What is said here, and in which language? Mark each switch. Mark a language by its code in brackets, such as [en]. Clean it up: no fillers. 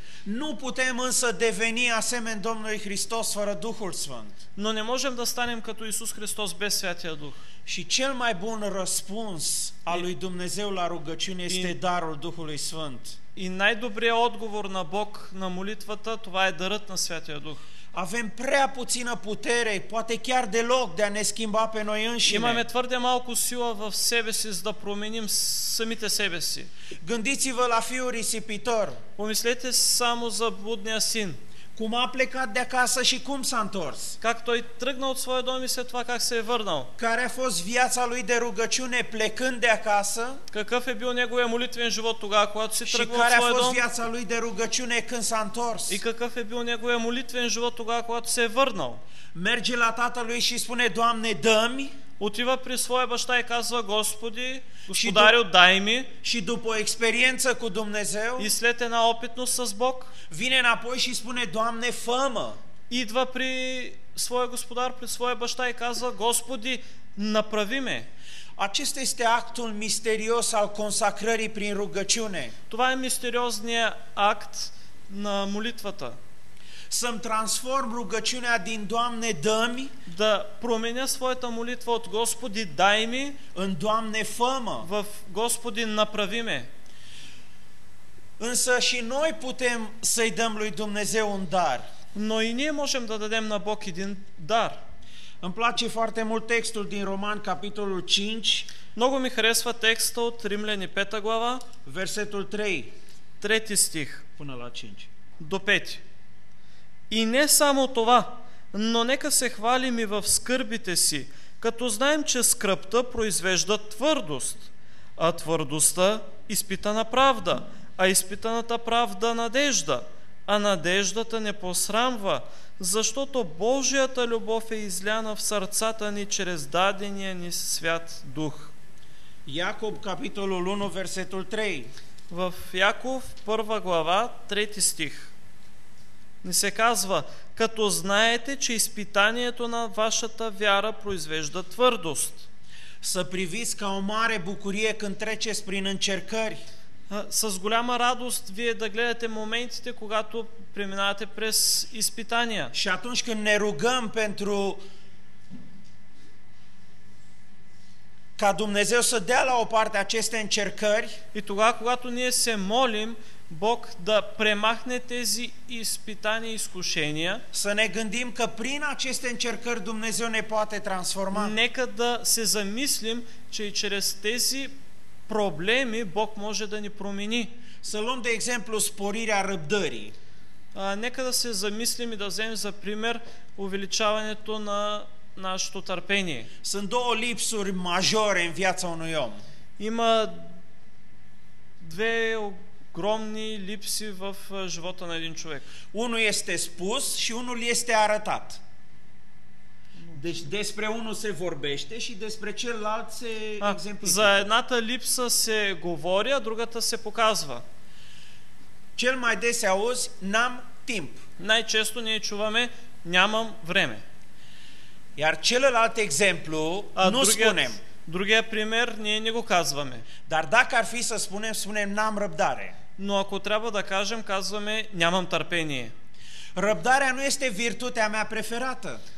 [ro] Nu putem însă deveni asemeni Domnului Hristos fără Duhul Sfânt. [bg] Но не можем да станем като Исус Христос без Святия Дух. [ro] Și cel mai bun răspuns al lui Dumnezeu la rugăciune este darul Duhului Sfânt. [bg] И най-добрият отговор на Бог на молитвата, това е дарът на Святия Дух. [ro] Avem prea puțină putere, poate chiar deloc, de a ne schimba pe noi înșine. [bg] Имаме твърде малко сила в себе си, за да променим самите себе си. [ro] Gândiți-vă la fiul risipitor. [bg] Помислете само за блудния син. [ro] Cum a plecat de acasă și cum s-a întors? [bg] Как той тръгна от своя дом и след това как се е върнал? [ro] Care a fost viața lui de rugăciune plecând de acasă? [bg] Какъв е бил неговия молитвен живот тогава, когато се тръгва от своя дом? [ro] Care a fost viața lui de rugăciune când s-a întors? [bg] И какъв е бил неговия молитвен живот тогава, когато се е върнал? [ro] Merge la tatălui și spune: Doamne, dă-mi. [bg] Отива при своя баща и казва: Господи, Господарю, дай ми. [ro] Și după experiență cu Dumnezeu, [bg] и след една опитност с Бог, [ro] vine înapoi și spune: Doamne, fă-mă. [bg] Идва при своя господар, при своя баща и казва: Господи, направи ме. [ro] Acesta este actul misterios al consacrării prin rugăciune. [bg] Това е мистериозния акт на молитвата. [ro] Să-mi transform rugăciunea din Doamne, dă-mi, [bg] да променя своята молитва от Господи, дай ми, [ro] în Doamne, fă-mă, [bg] в Господи, направи ме. [ro] Însă și noi putem să-i dăm lui Dumnezeu un dar. [bg] Но и ние можем да дадем на Бог един дар. [ro] Îmi place foarte mult textul din Roman, capitolul 5. [bg] Много ми харесва текста от Римляни 5 глава. [ro] Versetul 3. [bg] 3 стих. [ro] Până la 5. [bg] До 5. И не само това, но нека се хвалим и в скърбите си, като знаем, че скръбта произвежда твърдост, а твърдостта – изпитана правда, а изпитаната правда – надежда, а надеждата не посрамва, защото Божията любов е изляна в сърцата ни чрез дадения ни свят дух. [ro] Яков, капитолул 1, версетул 3. [bg] В Яков, първа глава, трети стих. Ни се казва, като знаете, че изпитанието на вашата вяра произвежда твърдост. [ro] Са привиз ка о маре букурие кън тречес прин încercări. [bg] С голяма радост вие да гледате моментите, когато преминавате през изпитания. [ro] Și atunci când ne rugăm pentru ca Dumnezeu să dea la o parte aceste încercări, [bg] и тогава, когато ние се молим Бог да премахне тези изпитания и изкушения, [ro] să ne gândim că prin aceste încercări Dumnezeu ne poate transforma. [bg] Нека да се замислим, че и чрез тези проблеми Бог може да ни промени. [ro] Să luăm de exemplu sporirea răbdării. [bg] Нека да се замислим и да вземем за пример увеличаването на нашето търпение. [ro] Sunt două lipsuri majore în viața unui om. [bg] Има две огромни липси в живота на един човек. [ro] Unul este spus și unul este arătat. Deci despre unul se vorbește și despre celălalt se exemplifică. [bg] За едната липса се говори, а другата се показва. [ro] Cel mai des auzi, n-am timp. [bg] Най-често ние чуваме, нямам време. [ro] Iar celălalt exemplu, nu spunem. [bg] Другия пример, ние не го казваме. [ro] Dar dacă ar fi să spunem, spunem, n-am răbdare. [bg] Но ако трябва да кажем, казваме, нямам търпение. [ro] Răbdarea nu este virtutea mea preferată.